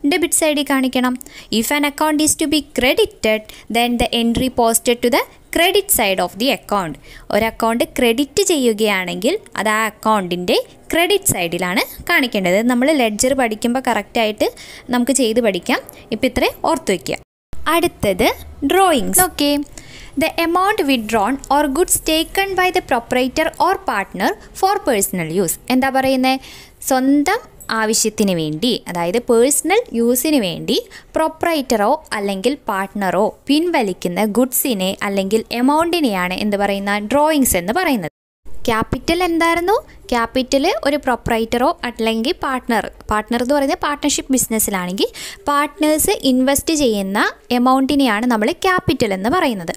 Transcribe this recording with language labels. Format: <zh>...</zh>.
<ml>Debit സൈഡിൽ കാണിക്കണം.</ml> <en>If an account is to be credited then the entry posted to the credit side of the account.</en> <ml>ഒരു account credit ചെയ്യുകയാണെങ്കിൽ അത് ആ അക്കൗണ്ടിൻ്റെ ക്രെഡിറ്റ് സൈഡിലാണ് കാണിക്കേണ്ടത്. നമ്മൾ ലെഡ്ജർ പഠിക്കുമ്പോൾ കറക്റ്റായിട്ട് നമുക്ക് ചെയ്ത് പഠിക്കാം. ഇപ്പം ഇത്രേ ഓർത്ത് വയ്ക്കുക. അടുത്തത് drawings.</ml> <en>Okay, the amount withdrawn or goods taken by the proprietor or partner for personal use.</en> <ml>എന്താ പറയുന്നത്? സ്വന്തം ആവശ്യത്തിന് വേണ്ടി, അതായത് പേഴ്സണൽ യൂസിന് വേണ്ടി പ്രൊപ്രൈറ്ററോ അല്ലെങ്കിൽ പാർട്ട്ണറോ പിൻവലിക്കുന്ന ഗുഡ്സിനെ അല്ലെങ്കിൽ എമൗണ്ടിനെയാണ് എന്ത് പറയുന്ന? ഡ്രോയിങ്സ് എന്ന് പറയുന്നത്. ക്യാപിറ്റൽ എന്തായിരുന്നു? ക്യാപിറ്റല് ഒരു പ്രൊപ്രൈറ്ററോ അല്ലെങ്കിൽ പാർട്ട്ണർ, പാർട്ട്ണർ എന്ന് പറയുന്നത് പാർട്ട്ണർഷിപ്പ് ബിസിനസ്സിലാണെങ്കിൽ പാർട്ട്നേഴ്സ് ഇൻവെസ്റ്റ് ചെയ്യുന്ന എമൗണ്ടിനെയാണ് നമ്മൾ ക്യാപിറ്റൽ എന്ന് പറയുന്നത്.</ml>